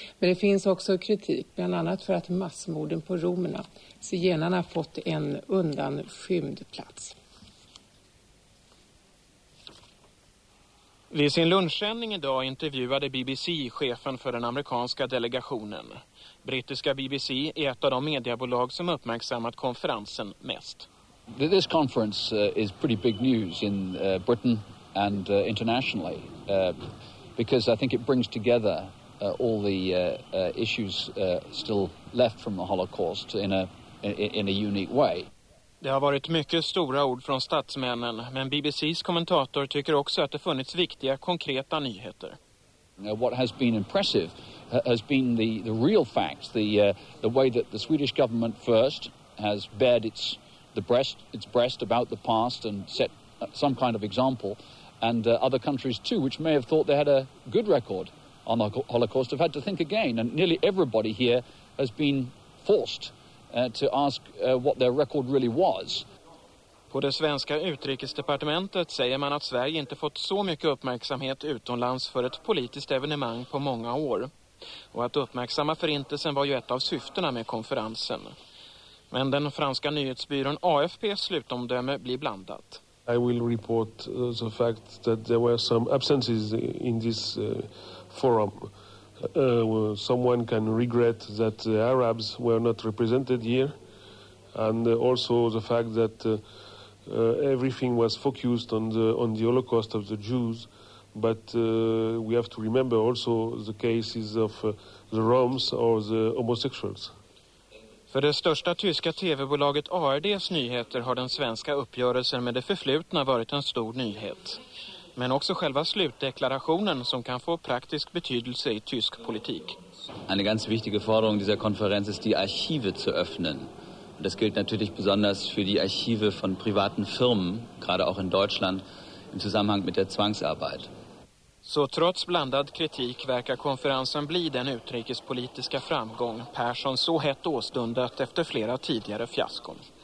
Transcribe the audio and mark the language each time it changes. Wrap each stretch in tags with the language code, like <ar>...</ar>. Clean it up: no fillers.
<sv>Men det finns också kritik, bland annat för att massmorden på romerna, zigenarna, har fått en undanskymd plats. Vid sin lunchsändning idag intervjuade BBC chefen för den amerikanska delegationen. Brittiska BBC är ett av de mediebolag som uppmärksammat konferensen mest.</sv> <en>This conference is pretty big news in Britain and internationally because I think it brings together all the issues still left from the Holocaust in a unique way.</en> <sv>Det har varit mycket stora ord från statsmännen, men BBC:s kommentator tycker också att det funnits viktiga konkreta nyheter.</sv> <en>What has been impressive has been the real facts, the way that the Swedish government first has bared its breast about the past and set some kind of example, and other countries too, which may have thought they had a good record on the Holocaust, have had to think again. And nearly everybody here has been forced to ask what their record really was.</en> <sv>På det svenska utrikesdepartementet säger man att Sverige inte fått så mycket uppmärksamhet utomlands för ett politiskt evenemang på många år. Och att uppmärksamma förintelsen var ju ett av syftena med konferensen. Men den franska nyhetsbyrån AFP:s slutomdöme blir blandat.</sv> <en>I will report the fact that there were some absences in this forum. Someone can regret that the Arabs were not represented here, and also the fact that everything was focused on the Holocaust of the Jews, but we have to remember also the cases of the Roms or the homosexuals.</en> <sv>För det största tyska tv-bolaget ARD:s nyheter har den svenska uppgörelsen med det förflutna varit en stor nyhet. Men också själva slutdeklarationen som kan få praktisk betydelse i tysk politik.</sv> <de>Eine ganz wichtige Forderung dieser Konferenz ist, die Archive zu öffnen. Und das gilt natürlich besonders für die Archive von privaten Firmen, gerade auch in Deutschland, im Zusammenhang mit der Zwangsarbeit.</de> <sv>Så trots blandad kritik verkar konferensen bli den utrikespolitiska framgång Persson så hett åstundat efter flera tidigare fiaskon.</sv>